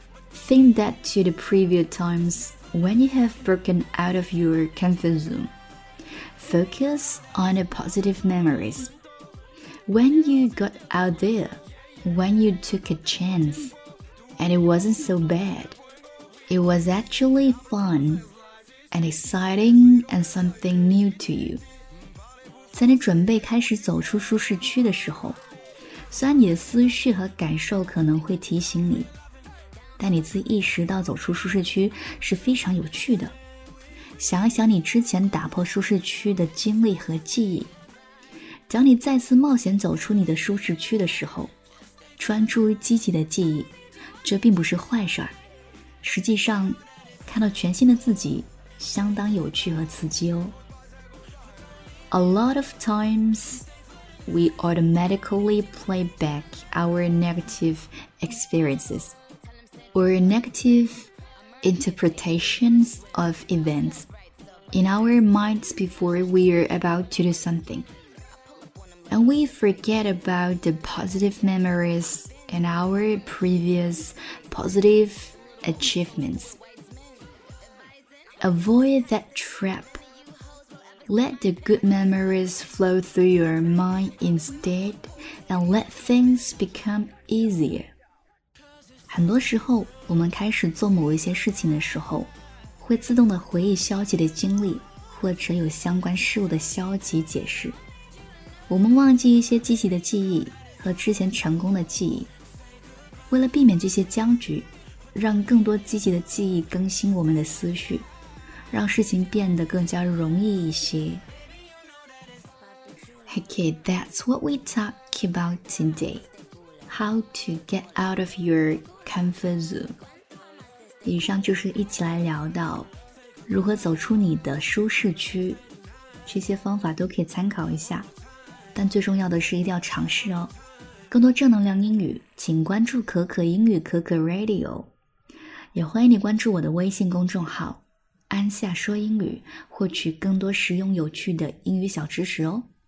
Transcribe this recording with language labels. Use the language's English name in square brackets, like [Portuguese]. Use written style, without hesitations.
[English] Think back to the previous times when you have broken out of your comfort zone. Focus on the positive memories. When you got out there, when you took a chance, and it wasn't so bad, it was actually fun. And exciting and something new to you. [Chinese] 在你准备开始走出舒适区的时候，虽然你的思绪和感受可能会提醒你，但你自意识到走出舒适区是非常有趣的。想一想你之前打破舒适区的经历和记忆，当你再次冒险走出你的舒适区的时候，专注于积极的记忆，这并不是坏事儿。实际上，看到全新的自己相当有趣和刺激哦。 [English] A lot of times, we automatically play back our negative experiences or negative interpretations of events in our minds before we are about to do something. And we forget about the positive memories and our previous positive achievements. Avoid that trap. Let the good memories flow through your mind instead, and let things become easier. [Chinese] 很多时候，我们开始做某一些事情的时候，会自动的回忆消极的经历，或者有相关事物的消极解释。我们忘记一些积极的记忆和之前成功的记忆。为了避免这些僵局，让更多积极的记忆更新我们的思绪。让事情变得更加容易一些。 [English] Okay, that's what we talk about today. How to get out of your comfort zone. [Chinese] 以上就是一起来聊到如何走出你的舒适区。这些方法都可以参考一下。但最重要的是一定要尝试哦。更多正能量英语请关注可可英语可可 Radio。也欢迎你关注我的微信公众号。安夏说英语，获取更多实用有趣的英语小知识哦。